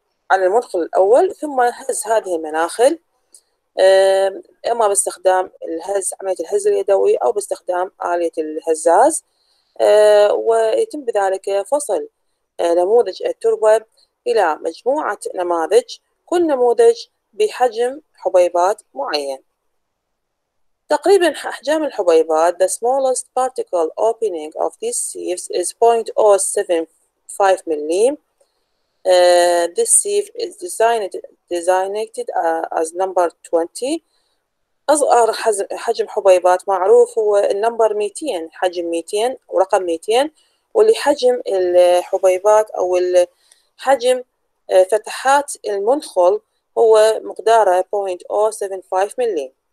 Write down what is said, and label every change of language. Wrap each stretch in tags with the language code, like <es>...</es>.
<ar>على المدخل الأول، ثم هز هذه المناخل إما باستخدام الهز عملية الهز اليدوي أو باستخدام آلية الهزاز، ويتم بذلك فصل نموذج التربة إلى مجموعة نماذج، كل نموذج بحجم حبيبات معين. تقريبا أحجام الحبيبات</ar> <en>the smallest particle opening of these sieves is 0.075 mm. This sieve is designated as number 20.</en> <ar>أصغر حجم حبيبات معروف هو النمبر 200، حجم 200 ورقم 200، واللي حجم الحبيبات أو الحجم فتحات المنخل هو مقداره 0.075 ملي.</ar>